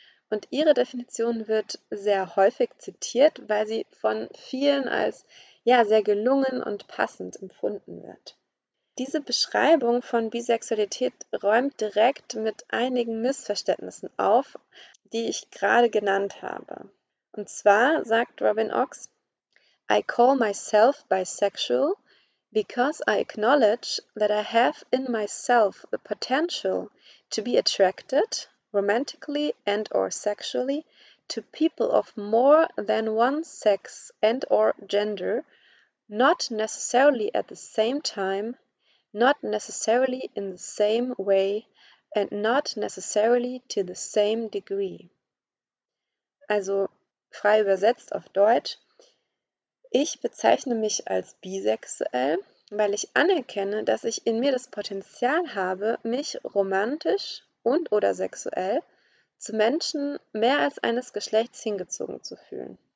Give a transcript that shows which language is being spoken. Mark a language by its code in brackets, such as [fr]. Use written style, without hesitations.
[de] Und ihre Definition wird sehr häufig zitiert, weil sie von vielen als ja sehr gelungen und passend empfunden wird. Diese Beschreibung von Bisexualität räumt direkt mit einigen Missverständnissen auf, die ich gerade genannt habe. Und zwar sagt Robin Ochs: [en] I call myself bisexual because I acknowledge that I have in myself the potential to be attracted romantically and or sexually to people of more than one sex and or gender, not necessarily at the same time, not necessarily in the same way and not necessarily to the same degree. [de] Also frei übersetzt auf Deutsch: Ich bezeichne mich als bisexuell, weil ich anerkenne, dass ich in mir das Potenzial habe, mich romantisch und oder sexuell zu Menschen mehr als eines Geschlechts hingezogen zu fühlen.